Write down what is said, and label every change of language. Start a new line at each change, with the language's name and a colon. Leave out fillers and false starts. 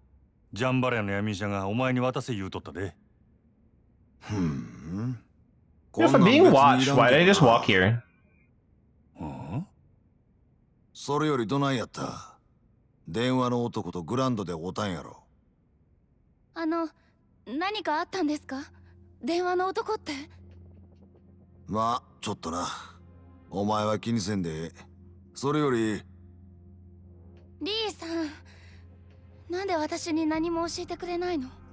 Japanese: 痛み止め屋とジャンバレの闇医者がお前に渡せ言うとったで。
English: If I'm being watched, why did I just walk here?
Japanese: それよりどないやった?電話の男とグランドでおたんやろ。あの、何かあったんですか?電話の男って。まあ、ちょっとな。お前は気にせんで。それより。リーさん、なんで私に何も教えてくれないの?